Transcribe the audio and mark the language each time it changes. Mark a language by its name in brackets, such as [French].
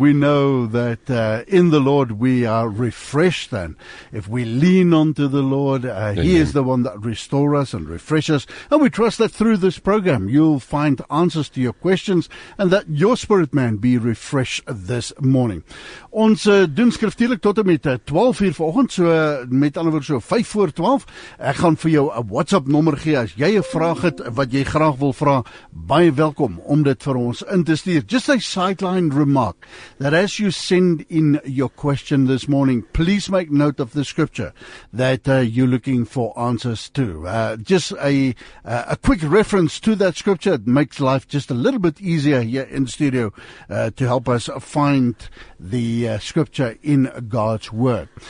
[English] We know that in the Lord we are refreshed. And if we lean onto the Lord, He is the one that restores us and refreshes us. And we trust that through this program, you'll find answers to your questions and that your spirit man be refreshed this morning. [Afrikaans] Ons doen skriftuurlik tot en met 12 uur vanoggend, so met ander woord so 5 voor 12. Ek gaan vir jou 'n WhatsApp nommer gee as jy 'n vraag het wat jy graag wil vra, baie welkom om dit vir ons in te stuur. [English] Just a sideline remark that as you send in your question this morning, please make note of the scripture that you're looking for answers to. Just a quick reference to that scripture, it makes life just a little bit easier here in the studio to help us find the scripture in God's word.